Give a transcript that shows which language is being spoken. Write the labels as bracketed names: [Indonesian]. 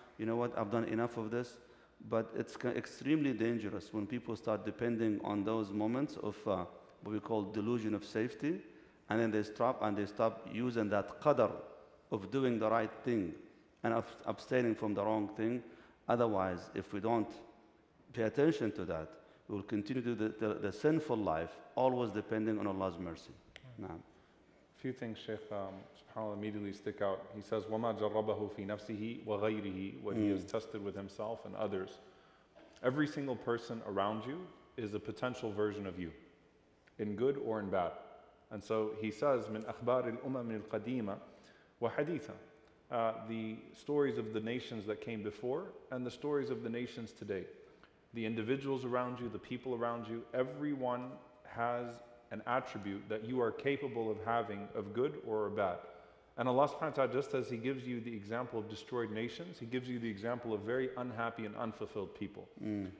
[English] You know what, I've done enough of this. But it's extremely dangerous when people start depending on those moments of what we call delusion of safety, and then they stop using that qadr of doing the right thing and of abstaining from the wrong thing. Otherwise, if we don't pay attention to that, we will continue to do the sinful life, always depending on Allah's mercy. Mm-hmm. A few things, Shaykh, subhanAllah, immediately stick out. He says, [Arabic] وَمَا جَرَّبَهُ فِي نَفْسِهِ وَغَيْرِهِ. [English] What he has tested with himself and others. Every single person around you is a potential version of you, in good or in bad. And so he says, [Arabic] مِنْ أَخْبَارِ الْأُمَمِ الْقَدِيمَةِ وَحَدِيثًا. [English] The stories of the nations that came before and the stories of the nations today. The individuals around you, the people around you, everyone has an attribute that you are capable of having of good or bad. And Allah subhanahu wa ta'ala, just as He gives you the example of destroyed nations, He gives you the example of very unhappy and unfulfilled people. Mm.